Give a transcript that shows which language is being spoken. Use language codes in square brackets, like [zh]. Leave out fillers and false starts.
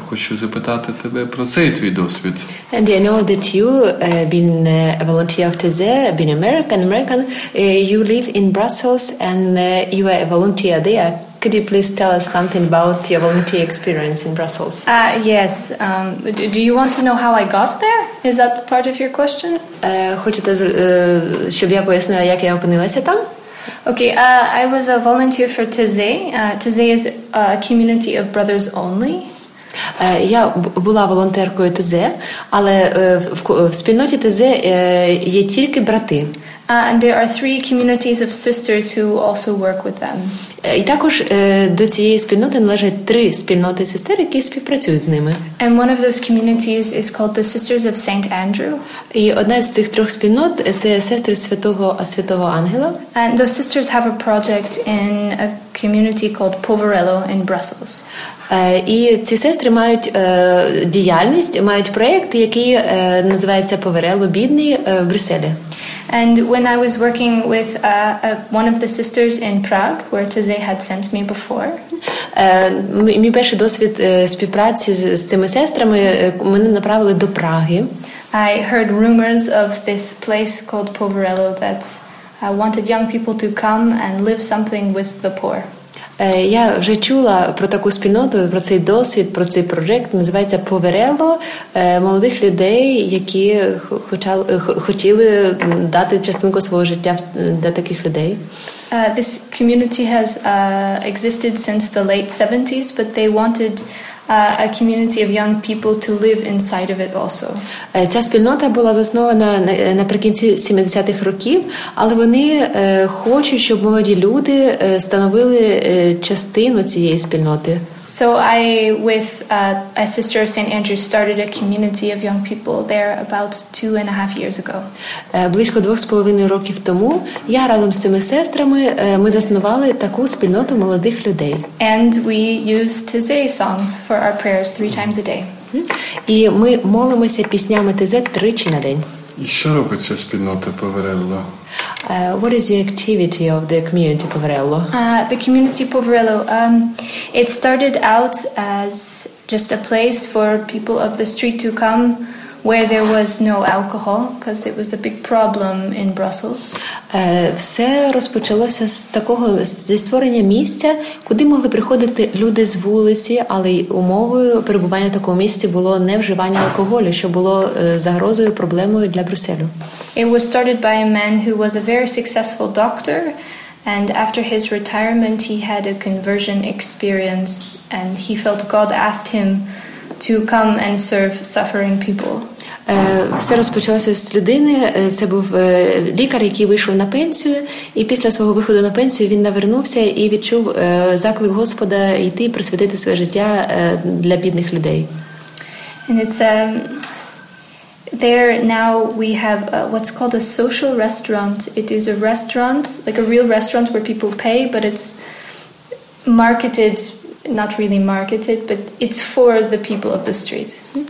[uk] Хочу запитати тебе про цей твій досвід. [en] And I know that you've been a volunteer of TZ, been American. You live in Brussels and you are a volunteer there. Could you please tell us something about your volunteer experience in Brussels? Yes. Do you want to know how I got there? Is that part of your question? [uk] Хочете, щоб я пояснила, як я опинилася там? [en] Okay, I was a volunteer for TZ. TZ is a community of brothers only. [uk] Я була волонтеркою ТЗ, але в спільноті ТЗ є тільки брати. [en] And there are three communities of sisters who also work with them. [uk] І також до цієї спільноти належать три спільноти сестер, які співпрацюють з ними. [en] And one of those communities is called the Sisters of Saint Andrew. [uk] І одна з цих трьох спільнот це сестри Святого Ангела. [en] And those sisters have a project in a community called Poverello in Brussels. [uk] І ці сестри мають діяльність, мають проєкт, який називається Поверело бідний в Брюсселі. [en] And when I was working with one of the sisters in Prague, where TZ had sent me before. [uk] Мій перший досвід співпраці з цими сестрами мене направили до Праги. [en] I heard rumors of this place called Poverello that wanted young people to come and live something with the poor. [uk] Я вже чула про таку спільноту, про цей досвід, про цей проєкт. Називається «Поверело» молодих людей, які хотіли дати частинку свого життя для таких людей. [en] This community has existed since the late 70s, but they wanted a community of young people to live inside of it also. [uk] Ця спільнота була заснована наприкінці 70-х років, але вони хочуть, щоб молоді люди становили частину цієї спільноти. [en] So I, with a sister of St. Andrew, started a community of young people there about 2.5 years ago. [uk] Близько 2.5 років тому я разом з цими сестрами, ми заснували таку спільноту молодих людей. [en] And we use TZ songs for our prayers 3 times a day. [uk] І ми молимося піснями TZ тричі на день. І що робить ця спільнота Поверело? [en] What is the activity of the community Poverello? The community Poverello, it started out as just a place for people of the street to come where there was no alcohol, because it was a big problem in Brussels. [uk] Все розпочалося з такого, зі створення місця, куди могли приходити люди з вулиці, але умовою перебування в такому місці було не вживання алкоголю, що було загрозою, проблемою для Брюсселю. [en] It was started by a man who was a very successful doctor, and after his retirement he had a conversion experience, and he felt God asked him to come and serve suffering people. [uk] Все розпочалося з людини. Це був лікар, який вийшов на пенсію, і після свого виходу на пенсію він навернувся і відчув заклик Господа йти присвятити своє життя для бідних людей. [en] And it's there now we have what's called a social restaurant. It is a restaurant, like a real restaurant where people pay, but it's marketed, not really marketed, but it's for the people of the street.